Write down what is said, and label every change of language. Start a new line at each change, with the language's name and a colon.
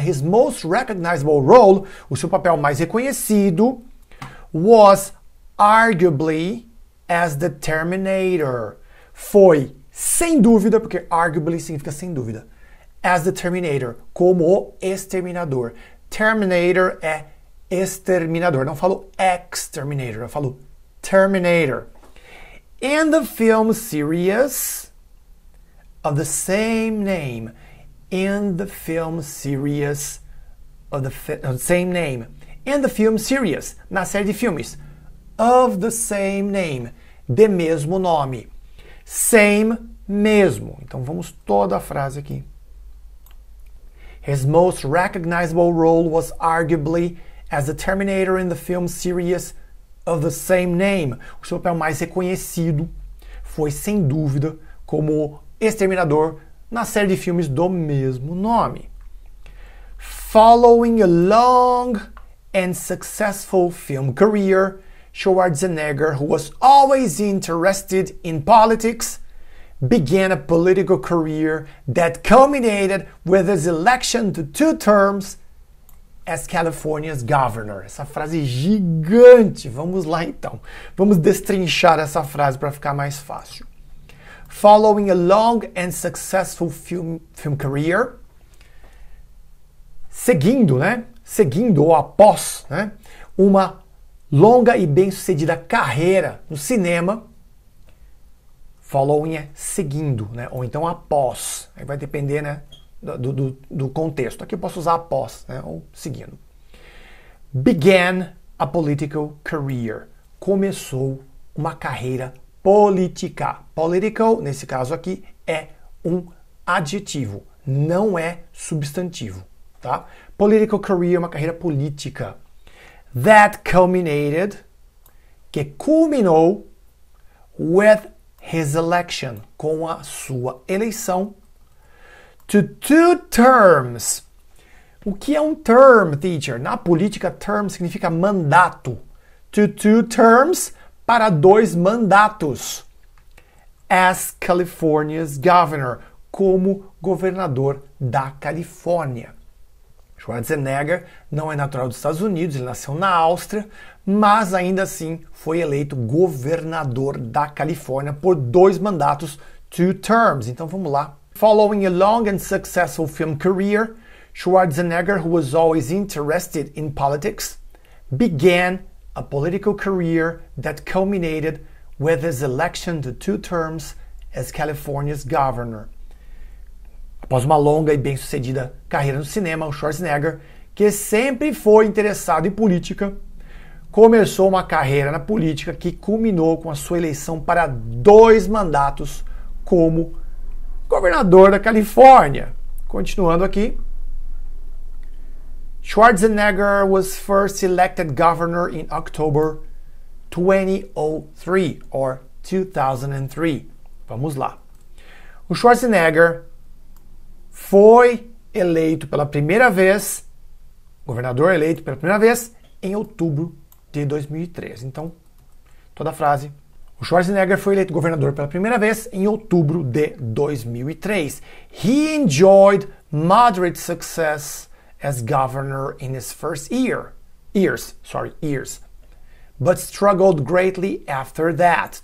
English: His most recognizable role,
Portuguese: o seu papel mais reconhecido,
English: was arguably as the Terminator.
Portuguese: Foi, sem dúvida, porque arguably significa sem dúvida,
English: as the Terminator,
Portuguese: como o exterminador. Terminator é exterminador, não falo exterminator, eu falo Terminator.
English: In the film series of the same name. In the film series,
Portuguese: na série de filmes,
English: of the same name,
Portuguese: de mesmo nome. Same, mesmo. Então vamos toda a frase aqui.
English: His most recognizable role was arguably as the Terminator in the film series of the same name.
Portuguese: O seu papel mais reconhecido foi, sem dúvida, como exterminador na série de filmes do mesmo nome.
English: Following a long and successful film career, Schwarzenegger, who was always interested in politics, began a political career that culminated with his election to two terms as California's governor.
Portuguese: Essa frase gigante. Vamos lá, então. Vamos destrinchar essa frase para ficar mais fácil.
English: Following a long and successful film career,
Portuguese: seguindo ou após, né, uma longa e bem-sucedida carreira no cinema, following é seguindo, né, ou então após, aí vai depender, né, do contexto. Aqui eu posso usar após, né, ou seguindo.
English: Began a political career,
Portuguese: começou uma carreira política. Political, nesse caso aqui, é um adjetivo, não é substantivo, tá?
English: Political career,
Portuguese: uma carreira política.
English: That culminated,
Portuguese: que culminou,
English: with his election,
Portuguese: com a sua eleição,
English: to two terms.
Portuguese: O que é um term, teacher? Na política, term significa mandato.
English: To two terms,
Portuguese: para dois mandatos.
English: As California's governor,
Portuguese: como governador da Califórnia. Schwarzenegger não é natural dos Estados Unidos, ele nasceu na Áustria, mas ainda assim foi eleito governador da Califórnia por dois mandatos,
English: two terms.
Portuguese: Então vamos lá.
English: Following a long and successful film career, Schwarzenegger, who was always interested in politics, began a political career that culminated with his election to two terms as California's governor.
Portuguese: Após uma longa e bem-sucedida carreira no cinema, o Schwarzenegger, que sempre foi interessado em política, começou uma carreira na política que culminou com a sua eleição para dois mandatos como governador da Califórnia. Continuando aqui.
English: Schwarzenegger was first elected governor in October 2003, or 2003.
Portuguese: Vamos lá. O Schwarzenegger foi eleito pela primeira vez, governador eleito pela primeira vez, em outubro de 2013. Então, toda a frase. O Schwarzenegger foi eleito governador pela primeira vez em outubro de 2003.
English: He enjoyed moderate success as governor in his first years, but struggled greatly after that.